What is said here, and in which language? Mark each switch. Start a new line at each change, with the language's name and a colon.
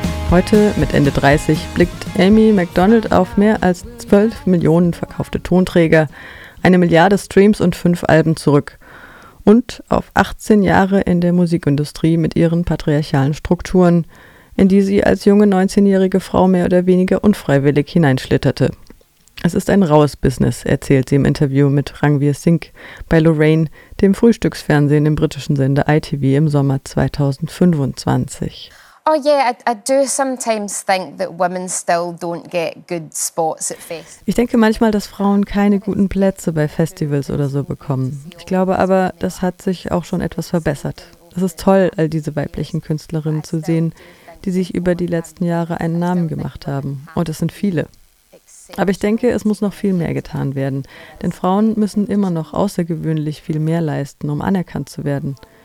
German: Heute, mit Ende 30, blickt Amy MacDonald auf mehr als 12 Millionen verkaufte Tonträger, 1 Milliarde Streams und 5 Alben zurück und auf 18 Jahre in der Musikindustrie mit ihren patriarchalen Strukturen, in die sie als junge 19-jährige Frau mehr oder weniger unfreiwillig hineinschlitterte. Es ist ein raues Business, erzählt sie im Interview mit Ranveer Singh bei Lorraine, dem Frühstücksfernsehen im britischen Sender ITV im Sommer 2025.
English: Oh yeah, I do sometimes think that women still don't get good spots at festivals.
German: Ich denke manchmal, dass Frauen keine guten Plätze bei Festivals oder so bekommen. Ich glaube aber, das hat sich auch schon etwas verbessert. Es ist toll, all diese weiblichen Künstlerinnen zu sehen, die sich über die letzten Jahre einen Namen gemacht haben. Und es sind viele. Aber ich denke, es muss noch viel mehr getan werden. Denn Frauen müssen immer noch außergewöhnlich viel mehr leisten, um anerkannt zu werden.